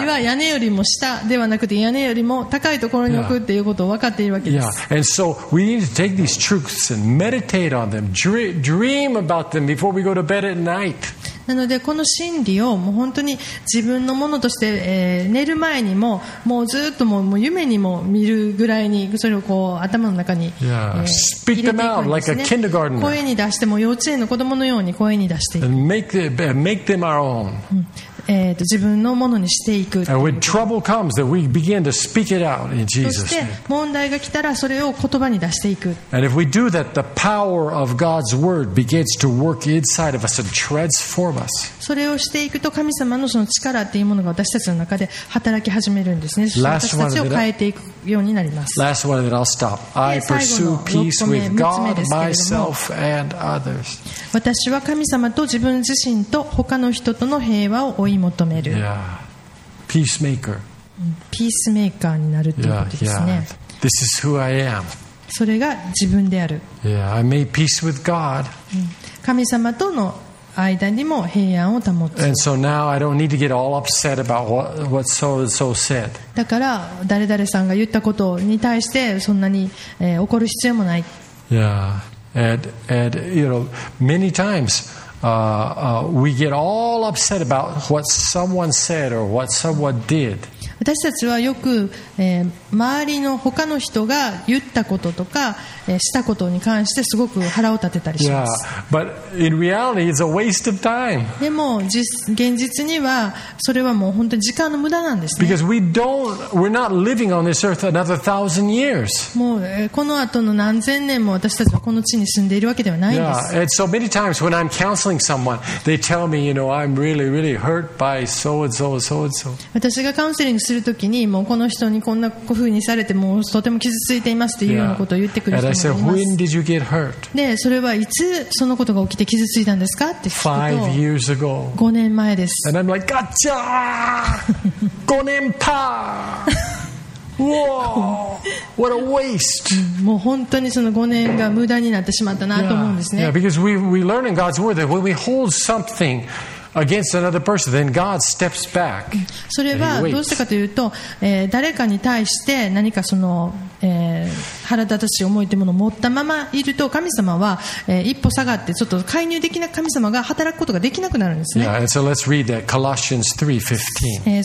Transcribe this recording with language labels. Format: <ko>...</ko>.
<ja>Koi nobori は屋根よりも下ではなくて屋根よりも高いところに置くっていうことを分かっているわけです。</ja> <en>Yeah. And so we need to take these truths and meditate on them, dream about them before we go to bed at night.</en> <ja>なのでこの真理をもう本当に自分のものとして、寝る前にももうずっともう夢にも見るぐらいにそれをこう頭の中に入れていくんですね。声に出しても幼稚園の子供のように声に出していく。</ja> <en>And make them our own.</en> <ja>自分のものにしていく。</ja> <en>And when trouble comes, that we begin to speak it out in Jesus.</en> <ja>そして問題が来たらそれを言葉に出していく。</ja> <en>And if we do that, the power of God's word begins to work inside of us and transform.</en> <ja>それをしていくと神様のその力っていうものが私たちの中で働き始めるんですね。私たちを変えていくようになります。</ja> <en>Last one that I'll stop. I pursue peace with God, myself, and others.</en> <ja>私は神様と自分自身と他の人との平和を追い求める。</ja> <en>Peacemaker.</en> <ja>ピースメーカーになるということですね。</ja> <en>This is who I am.</en> <ja>それが自分である。</ja> <en>Yeah, I made peace with God.</en> <ja>神様との間にも平安を保つ。</ja> <en>And so now I don't need to get all upset about what so and so said.</en> <ja>だから誰々さんが言ったことに対してそんなに、怒る必要もない。</ja> <en>Yeah. And you know, many times, we get all upset about what someone said or what someone did.</en> <ja>私たちはよく、周りの他の人が言ったこととか、したことに関してすごく腹を立てたりします。</ja> <en>Yeah, but in reality, it's a waste of time.</en> <ja>でも現実にはそれはもう本当に時間の無駄なんですね。</ja> <en>Because we're not living on this earth another thousand years.</en> <ja>もうこの後の何千年も私たちはこの地に住んでいるわけではないんです。</ja> <en>Yeah, and so many times when I'm counseling someone, they tell me, you know, I'm really, really hurt by so and so, so and so.</en> <ja>私がカウンセリングするときにもうこの人にこんな風にされてもうとても傷ついていますというようなことを言ってくる人もいます。</ja> <en>Yeah. And I said, When did you get hurt?</en> <ja>でそれはいつそのことが起きて傷ついたんですかって聞くと</ja> <en>5 years ago.</en> <ja>五年前です。</ja> <en>And I'm like, Gotcha!</en> <ja>五年パー。</ja> <en>Whoa! What a waste!</en> <ja>もう本当にその5年が無駄になってしまったなと思うんですね。</ja> <en>Yeah. Because we learn in God's word that when we hold something. Against another person, then God steps back.</en> <ja>それはどうしてかというと、誰かに対して何かその、腹立たしい思いというものを持ったままいると、神様は、一歩下がってちょっと介入できない神様が働くことができなくなるんですね。</ja> <en>Yeah, and so let's read that Colossians 3:15.</en>